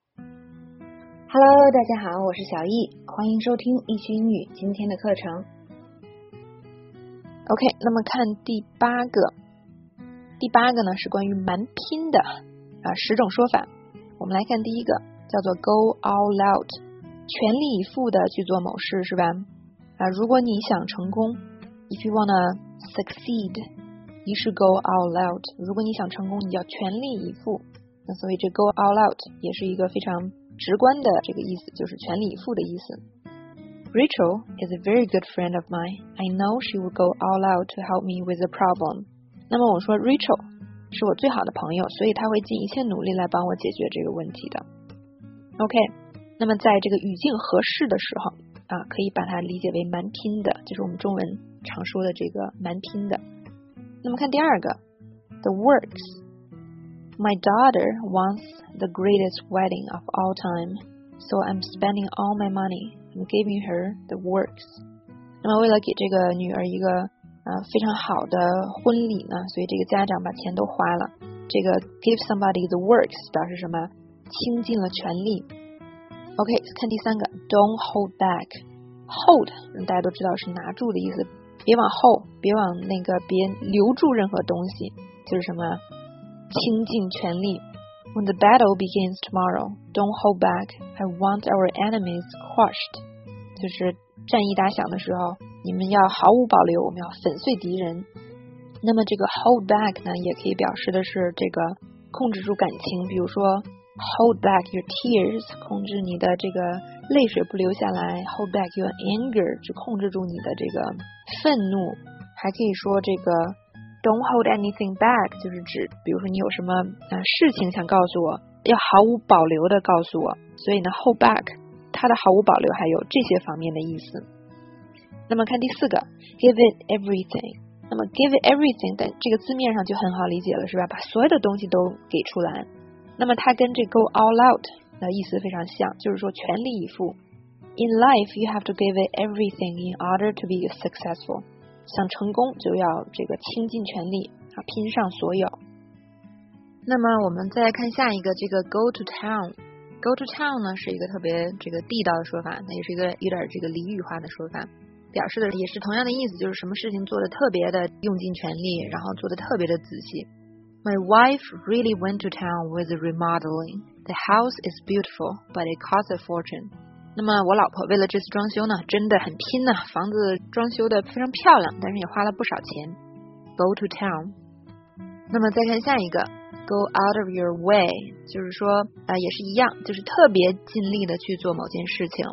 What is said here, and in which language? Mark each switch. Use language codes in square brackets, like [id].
[zh] Hello， 大家好，我是小易，欢迎收听易趣英语今天的课程。 OK， 那么看第八个，第八个呢是关于蛮拼的啊，十种说法。我们来看第一个，叫做 go all out， 全力以赴的去做某事，是吧？啊，如果你想成功 [en] ，if you wanna succeed， you should go all out。 [zh] 如果你想成功，你要全力以赴。那所以这 go all out 也是一个非常直观的这个意思，就是全力以赴的意思。 [en] Rachel is a very good friend of mine. I know she will go all out to help me with a problem. [zh] 那么我说 Rachel 是我最好的朋友，所以她会尽一切努力来帮我解决这个问题的。 OK， 那么在这个语境合适的时候啊，可以把它理解为蛮拼的，就是我们中文常说的这个蛮拼的。那么看第二个 ，the works。 [en] My daughter wants the greatest wedding of all time, so I'm spending all my money and giving her the works. [zh] 那么为了给这个女儿一个非常好的婚礼呢，所以这个家长把钱都花了。这个 [en] give somebody the works [zh] 表示什么？倾尽了全力。 [en] OK， [zh] 看第三个 [en] ，don't hold back. [zh] Hold 大家都知道是拿住的意思，别往后，别往那个，别留住任何东西，就是什么？倾尽全力。 [en] When the battle begins tomorrow, don't hold back. I want our enemies crushed. [zh] 就是战役打响的时候，你们要毫无保留，我们要粉碎敌人。那么这个 hold back 呢，也可以表示的是这个控制住感情，比如说 [en] hold back your tears， [zh] 控制你的这个泪水不流下来 ； [en] hold back your anger， [zh] 就控制住你的这个愤怒。还可以说这个。 [en] Don't hold anything back， [zh] 就是指比如说你有什么事情想告诉我，要毫无保留的告诉我，所以呢 hold back 它的毫无保留还有这些方面的意思。那么看第四个 give it everything， 那么 give it everything， 但这个字面上就很好理解了，是吧？把所有的东西都给出来。那么它跟这 go all out 的意思非常像，就是说全力以赴。 [en] In life you have to give it everything in order to be successful， [zh] 想成功就要这个倾尽全力啊，拼上所有。那么我们再来看下一个，这个 go to town， go to town 呢是一个特别这个地道的说法，那也是一个有点这个俚语化的说法，表示的也是同样的意思，就是什么事情做得特别的用尽全力，然后做得特别的仔细。 [en] My wife really went to town with remodeling. The house is beautiful, but it cost a fortune. [zh] 那么我老婆为了这次装修呢，真的很拼呢，房子装修的非常漂亮，但是也花了不少钱。 [en] Go to town。 [zh] 那么再看下一个 ， [en] Go out of your way， [zh] 就是说也是一样，就是特别尽力的去做某件事情。